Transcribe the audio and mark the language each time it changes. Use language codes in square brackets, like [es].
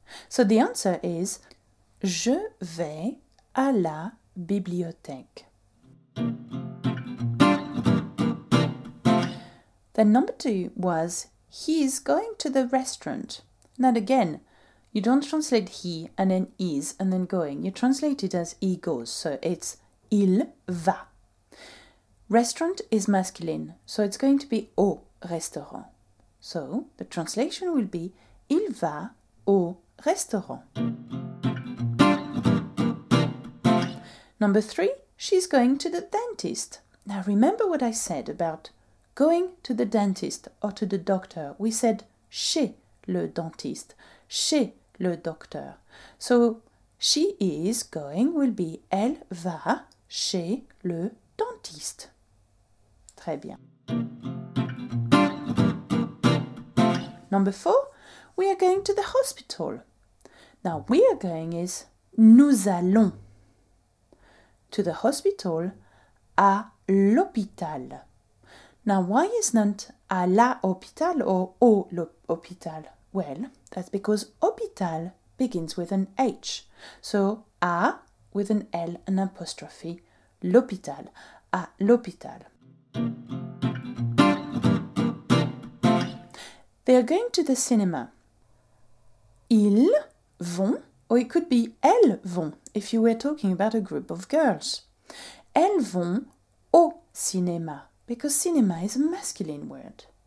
[en] So the answer is, [fr] je vais à la bibliothèque. [en] Then number 2 was, he's going to the restaurant. Now again, you don't translate he and then is and then going. You translate it as he goes, so it's [fr] il va. [en] Restaurant is masculine, so it's going to be [fr] au restaurant. [en] So, the translation will be, [fr] il va au restaurant. [en] Number 3, She's going to the dentist. Now remember what I said about going to the dentist or to the doctor. [fr] We said chez le dentiste, chez le docteur. [en] So she is going will be [fr] elle va chez le dentiste. Très bien. [en] Number four, we are going to the hospital. Now we are going is [fr] nous allons [en] to the hospital, [fr] à l'hôpital. [en] Now why isn't [fr] à la hôpital [en] or [fr] au hôpital? [en] Well, that's because hôpital begins with an H. So à with an L, an apostrophe, l'hôpital, [fr] à l'hôpital. [en] They are going to the cinema. [fr] Ils vont, [en] or it could be [fr] elles vont, [en] if you were talking about a group of girls. [fr] Elles vont au cinéma, [en] because cinéma is a masculine word.